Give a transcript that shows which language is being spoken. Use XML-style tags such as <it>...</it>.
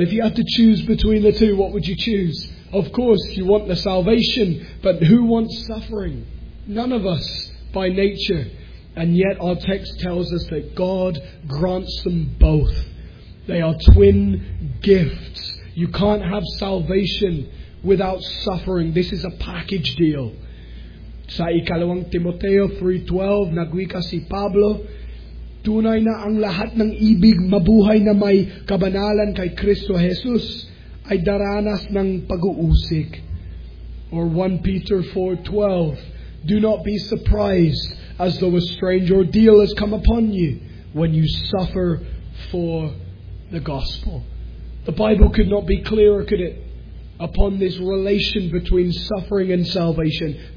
<en>If you had to choose between the two, what would you choose? Of course, you want the salvation, but who wants suffering? None of us by nature. And yet our text tells us that God grants them both. They are twin gifts. You can't have salvation without suffering. This is a package deal.</en> <tl>Sa ikalawang Timoteo 3:12, nagwika si Pablo, tunay na ang lahat ng ibig mabuhay na may kabanalan kay Kristo Jesus ay daranas ng pag-uusig.</tl> <en>Or 1 Peter 4:12, do not be surprised as though a strange ordeal has come upon you when you suffer for the gospel. The Bible could not be clearer, could it, upon this relation between suffering and salvation.</en>